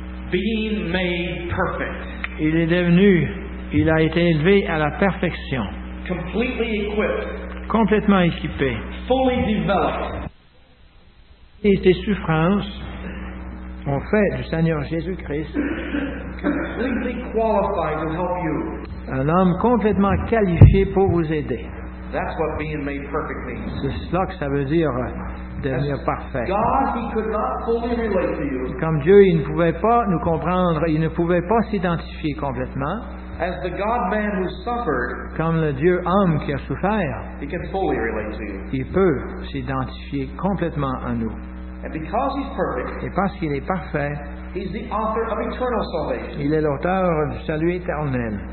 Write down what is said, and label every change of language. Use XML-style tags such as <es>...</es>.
<en>Being made perfect.</en> <fr>Il est devenu, il a été élevé à la perfection.</fr> <en>Completely equipped.</en> <fr>Complètement équipé.</fr> <en>Fully developed.</en> <fr>Et ses souffrances ont fait du Seigneur Jésus-Christ</fr> <en>completely qualified to help you.</en> <fr>Un homme complètement qualifié pour vous aider.</fr> <en>That's what being made perfect means.</en> <fr>C'est cela que ça veut dire devenir parfait.</fr> <en>God, he could not fully relate to you.</en> <fr>Comme Dieu, il ne pouvait pas nous comprendre, il ne pouvait pas s'identifier complètement.</fr> <en>As the God-man who suffered,</en> <fr>comme le Dieu homme qui a souffert,</fr> <en>he can fully relate to you.</en> <fr>Il peut s'identifier complètement à nous.</fr> <en>And because he's perfect,</en> <fr>et parce qu'il est parfait,</fr> <en>he's the author of eternal salvation.</en> <fr>Il est l'auteur du salut éternel.</fr>